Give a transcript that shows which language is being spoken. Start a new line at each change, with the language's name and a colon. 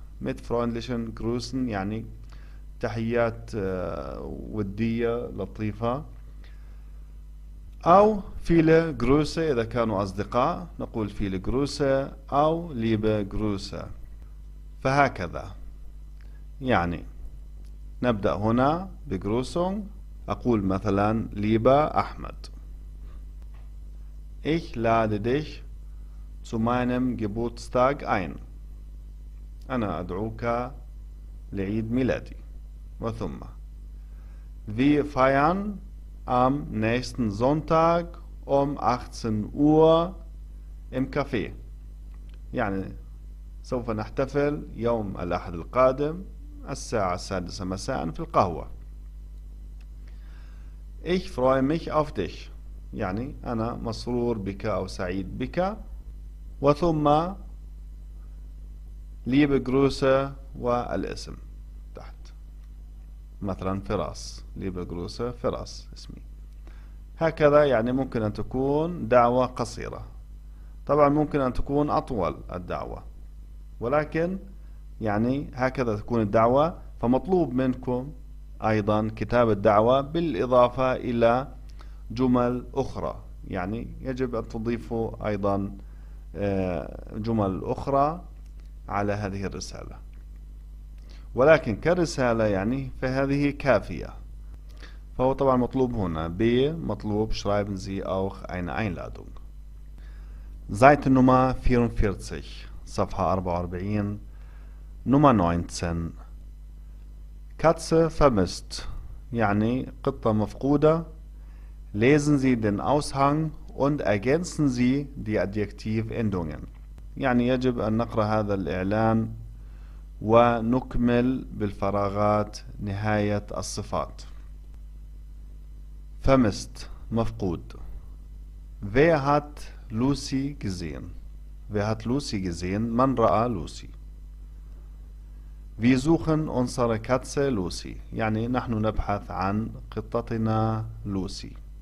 German: mit freundlichen Grüßen
Arabic: يعني تحيات ودية لطيفة، أو
German: viele Grüße
Arabic: إذا كانوا أصدقاء نقول viele Grüße أو
German: liebe Grüße.
Arabic: فهكذا يعني نبدأ هنا بجروسونغ. أقول مثلا
German: liebe أحمد ich lade dich zu meinem Geburtstag ein.
Arabic: أنا أدعوك لعيد ميلادي.
German: وثم wir feiern am nächsten Sonntag um 18 Uhr im Café.
Arabic: يعني سوف نحتفل يوم الأحد القادم الساعة 6 مساء في القهوة.
German: Ich freue mich auf dich.
Arabic: يعني أنا مسرور بك أو سعيد بك. وثم ليبه جروسه والاسم تحت مثلا فراس. ليبه جروسه فراس اسمي. هكذا يعني ممكن أن تكون دعوة قصيرة. طبعا ممكن أن تكون أطول الدعوة، ولكن يعني هكذا تكون الدعوة. فمطلوب منكم أيضا كتابة الدعوة بالإضافة إلى جمل أخرى، يعني يجب أن تضيفوا أيضا جمل أخرى على هذه الرسالة، ولكن كرسالة يعني فهذه كافية. فهو طبعا مطلوب هنا بي مطلوب
German: schreiben Sie auch eine Einladung. Seite Nummer 44
Arabic: صفحة 44
German: Nummer 19. Katze vermisst
Arabic: يعني قطة مفقودة.
German: Lesen Sie den Aushang und ergänzen Sie die Adjektivendungen.
Arabic: يعني يجب أن نقرأ هذا الإعلان ونكمل بالفراغات نهاية الصفات. فمست مفقود.
German: Wer hat Lucy gesehen? Wer hat Lucy gesehen?
Arabic: من رأى لوسي؟
German: Wir suchen unsere Katze Lucy.
Arabic: يعني نحن نبحث عن قطتنا لوسي.